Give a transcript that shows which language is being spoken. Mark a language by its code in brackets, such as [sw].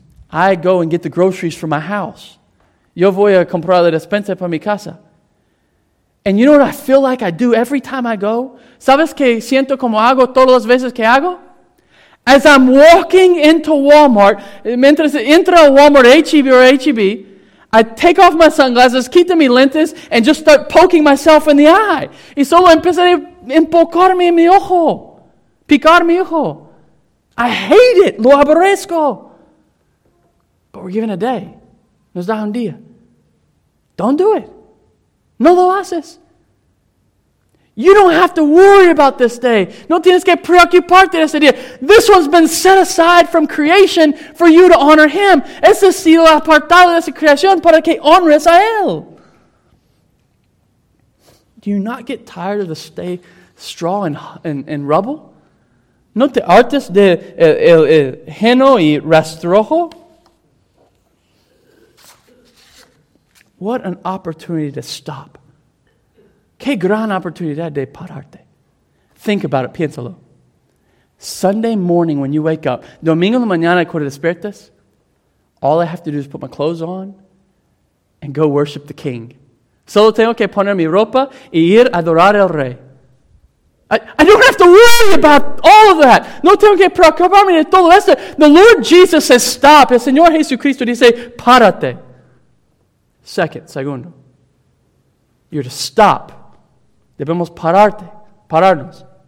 [en] I go and get the groceries for my house. [es] Yo voy a comprar la despensa para mi casa. [en] And you know what I feel like I do every time I go? [es] ¿Sabes qué siento como hago todas las veces que hago? [en] As I'm walking into Walmart, [es] mientras entro a Walmart, [en] H-E-B or H-E-B, I take off my sunglasses, [es] quito mis lentes, [en] and just start poking myself in the eye. [es] Y solo empecé a empolcarme en mi ojo. Picar mi ojo. [en] I hate it. [es] Lo aborrezco. [en] But we're given a day. [es] Nos da un día. [en] Don't do it. [es] No lo haces. [en] You don't have to worry about this day. [es] No tienes que preocuparte de ese día. [en] This one's been set aside from creation for you to honor Him. [es] Ese ha sido apartado de esa creación para que honres a Él. [en] Do you not get tired of the straw and rubble? [es] ¿No te hartas de el heno y rastrojo? [en] What an opportunity to stop. [es] Qué gran oportunidad de pararte. [en] Think about it, [es] piénsalo. [en] Sunday morning when you wake up, [es] domingo de mañana cuando despiertas, [en] all I have to do is put my clothes on and go worship the King. [es] Solo tengo que poner mi ropa y ir a adorar al Rey. [en] I don't have to worry about all of that. [es] No tengo que preocuparme de todo eso. [en] The Lord Jesus says, stop. [es] El Señor Jesucristo dice, párate. Segundo. [en] You're to stop. [es] Debemos pararte, pararnos.